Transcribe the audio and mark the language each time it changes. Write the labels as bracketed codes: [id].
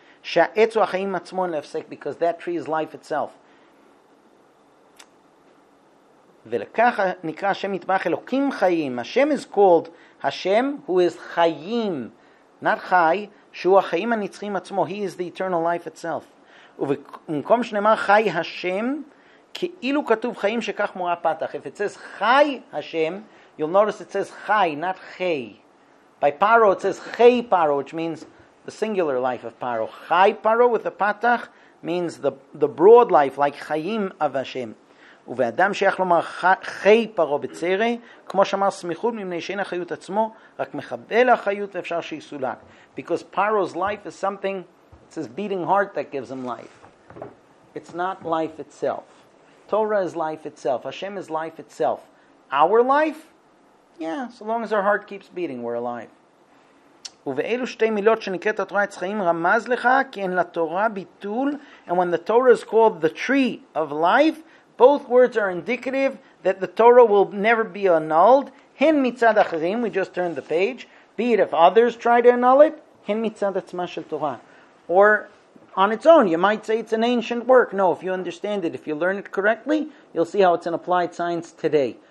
[he] She'etz chayim atzmo lefsek, [en] because that tree is life itself. [he] V'lekach nikra Hashem itbach Elokim chayim. [en] Hashem is called Hashem, who is chayim, not chay. [he] Shu chayim anitzchim atzmo, [en] he is the eternal life itself. [he] ובמקום שנאמר חי השם, כאילו כתוב חיים שכך מורה פתח. [en] If it says חי השם, you'll notice it says חי, not חי. By פארו, it says חי פארו, which means the singular life of פארו. חי פארו with the פתח means the broad life, like חיים of השם. [he] ובאדם שייך לומר חי פרו בצרי, כמו שאמר סמיכות ממני שאין החיות עצמו, רק מחבל החיות ואפשר שיסולק. [en] Because Paro's life is something, it's his beating heart that gives him life. It's not life itself. Torah is life itself. Hashem is life itself. Our life? Yeah, so long as our heart keeps beating, we're alive. [he] ובאלו שתי מילות שנקראת התורה יצחיים רמז לך כי אין לתורה ביטול. [en] And when the Torah is called the tree of life, both words are indicative that the Torah will never be annulled. [he] הן מצד אחרים, [en] we just turned the page, be it if others try to annul it, [he] הן מצד עצמה של תורה. [en] Or on its own, you might say it's an ancient work. No, if you understand it, if you learn it correctly, you'll see how it's an applied science today.